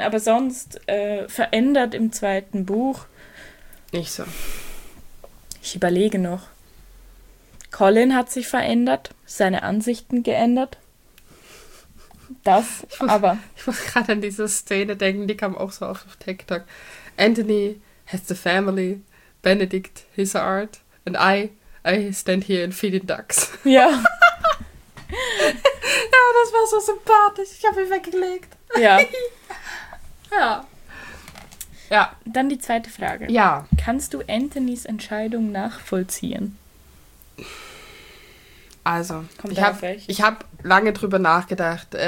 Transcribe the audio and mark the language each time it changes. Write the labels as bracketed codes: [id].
[de] Aber sonst verändert im zweiten Buch. Nicht so. Ich überlege noch. Colin hat sich verändert, seine Ansichten geändert. das, aber... Ich muss gerade an diese Szene denken, die kam auch so oft auf TikTok. [en] Anthony has the family, Benedict his art, and I stand here and feed in ducks. [de] Ja. Ja, das war so sympathisch, ich habe ihn weggelegt. Ja. Ja. Ja. Dann die zweite Frage. Ja. Kannst du Anthonys Entscheidung nachvollziehen? Also, ich hab lange drüber nachgedacht.